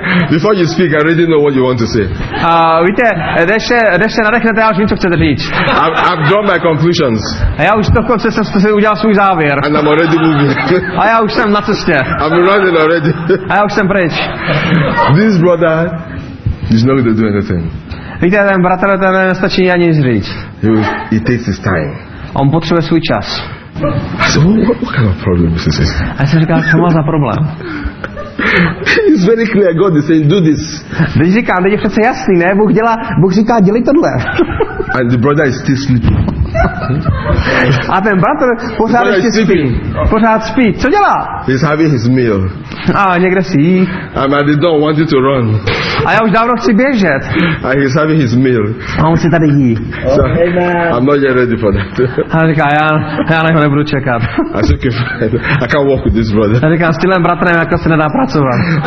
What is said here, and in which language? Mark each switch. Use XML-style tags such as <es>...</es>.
<en>Before you speak, I already know what you want to say.</en> <cs>Víte, než se nadechnete, já už vím, co chcete říct.</cs> <en>I've drawn my conclusions.</en> <cs>A já už dokonce jsem si udělal svůj závěr.</cs> <en>And I'm already moving.</en> <cs>A já už jsem na cestě.</cs> <en>I'm running already.</en> <cs>A já už jsem pryč.</cs> <en>This brother is not going to do anything.</en> <cs>Víte, ten bratr, ten nestačí ani nic říct.</cs> <en>He takes his time.</en> <cs>On potřebuje svůj čas.</cs> <en>I said, what kind of problem is this?</en> <cs>A já jsem říkal, co má za problém?</cs> <en>It's very clear, God is saying, do this.</en> <cs>Teď říkám, teď je přece jasný, ne? Bůh říká, dělej tohle.</cs> <en>And the brother is still sleeping.</en> <cs>A ten bratr pořád ještě spí. Pořád spí. Co dělá?</cs> <en>He's having his meal.</en> <cs>A někde si jí.</cs> <en>I'm at the door, want you to run.</en> <cs>A já už dávno chci běžet.</cs> <en>And he's having his meal.</en> <cs>A on si tady jí.</cs> <en>So, okay, I'm not yet ready for that.</en> <cs>A říká, já na něho nebudu čekat.</cs> <en>I said, okay, fine. I can't walk with this brother.</en> <cs>A říkám, s tímhle bratrem jako se nedá pracovat.</cs>